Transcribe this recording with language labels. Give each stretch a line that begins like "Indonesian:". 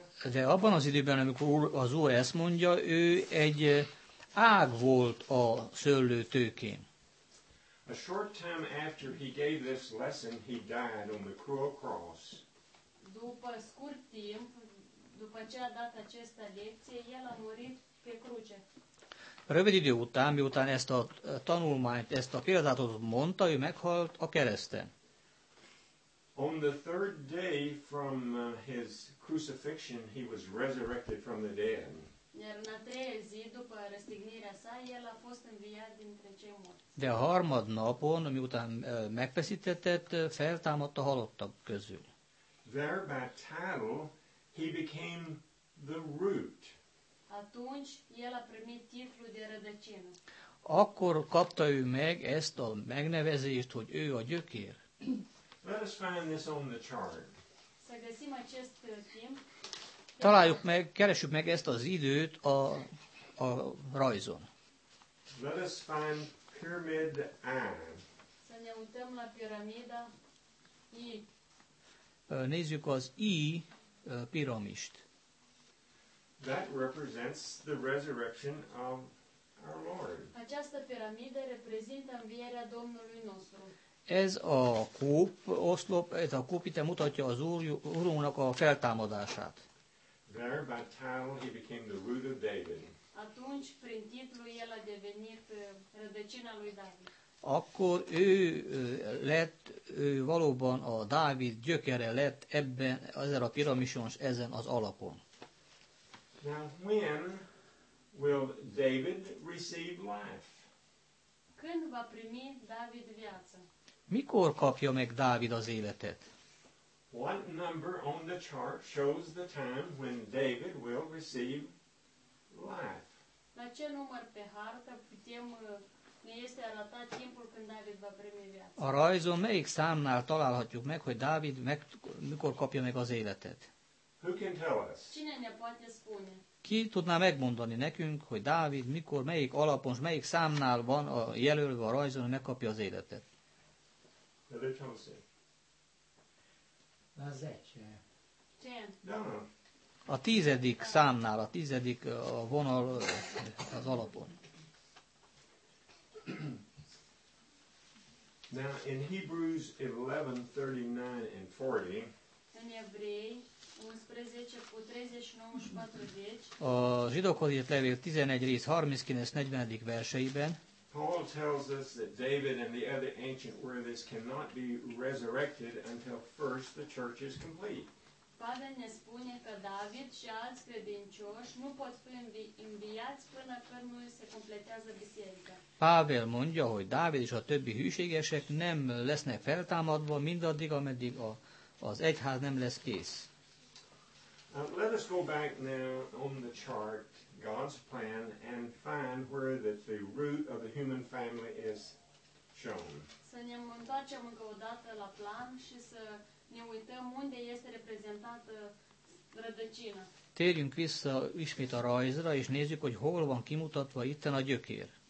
Hungarian: De abban az időben, amikor az Úr ezt mondja, ő egy ág volt a szőlő tőkén.
English: A short time after he gave this lesson, he died on the cruel cross.
Romanian: După scurt timp, după ce a dat această lecție, el a murit pe cruce.
Hungarian: Rövid idő után, miután ezt a tanulmányt, ezt a példátot mondta, ő meghalt a kereszten.
English: On the third day from his crucifixion, he was resurrected from the dead.
Romanian: Iar în a treia zi, după răstignirea sa, el a fost înviat dintre cei morți.
Hungarian: De a harmad napon, miután megpeszítetett, feltámadt a halottak közül.
English: There by title, he became the root.
Romanian: Atunci, el a primit titlul de rădăcină.
Hungarian: Akkor kapta ő meg ezt a megnevezést, hogy ő a gyökér.
English: Let us find this on the chart.
Romanian: Să găsim acest timp.
Hungarian: Találjuk meg, keresjük meg ezt az időt a rajzon.
English: Let us find pyramid I.
Romanian: Să ne uităm la piramida I.
Hungarian: Nézzük az I piramist.
English: That represents the resurrection of our Lord.
Romanian: Această piramidă reprezintă învierea Domnului nostru.
Hungarian: Ez a kúp, oszlop, ez a kúp itt mutatja az Úrunknak a feltámadását.
English: There by title he became the root of David.
Romanian: Atunci, prin titlu, el a devenit rădăcina lui David.
Hungarian: Akkor ő lett, ő valóban a Dávid gyökere lett ebben, ezen a piramison, ezen az alapon.
English: Now, when will David receive life?
Romanian: Când va primi David viață?
Hungarian: Mikor kapja meg Dávid az életet?
English: What number on the chart shows the time when David will receive life?
Romanian: La ce număr pe hartă putem, ne este arătat timpul când David va primi viață?
Hungarian: A rajzon melyik számnál találhatjuk meg, hogy Dávid mikor kapja meg az életet?
English: Who can tell us?
Romanian: Cine ne poate spune?
Hungarian: Ki tudná megmondani nekünk, hogy Dávid mikor, melyik alapon, melyik számnál van a jelölve a rajzon, hogy megkapja az életet?
Romanian: A zece.
Hungarian: A tizedik számnál, a tizedik a vonal az alapon.
English: Now in Hebrews 11:39-40.
Romanian: În Evrei 11:39-40.
Hungarian: A zsidókhoz írt levél 11 rész 39. verseiben.
English: Paul tells us that David and the other ancient worthies cannot be resurrected until first the church is complete.
Romanian: Pavel ne spune că David și alți credincioși nu pot fi înviați până când nu se completează biserica.
Hungarian: Pavel mondja, hogy Dávid és a többi hűségesek nem lesznek feltámadva mindaddig, ameddig az egyház nem lesz kész.
English: Let us go back now on the chart, God's plan, and find where that the root of the human family is shown.
Romanian: Să ne întoarcem încă o dată la plan și să ne uităm unde este reprezentată rădăcina.
Hungarian: Térjünk vissza ismét a rajzra, és nézzük, hogy hol van kimutatva itt a gyökér.